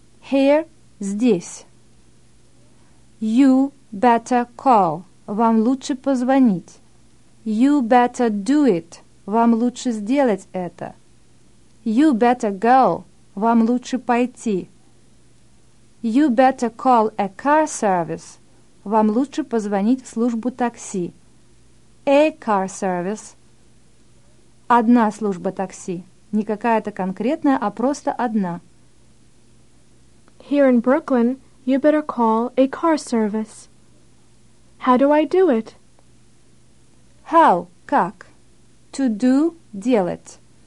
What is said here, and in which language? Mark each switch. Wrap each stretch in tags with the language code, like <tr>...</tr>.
<en>Here,</en> <ru>здесь.</ru> <en>You better call.</en> <ru>Вам лучше позвонить.</ru> <en>You better do it.</en> <ru>Вам лучше сделать это.</ru> <en>You better go.</en> <ru>Вам лучше пойти.</ru> <en>You better call a car service.</en> <ru>Вам лучше позвонить в службу такси.</ru> <en>A car service.</en> <ru>Одна служба такси. Не какая-то конкретная, а просто одна.</ru> <en>Here in Brooklyn, you better call a car service. How do I do it? How?</en> <ru>Как?</ru> <en>To do,</en> <ru>делать.</ru>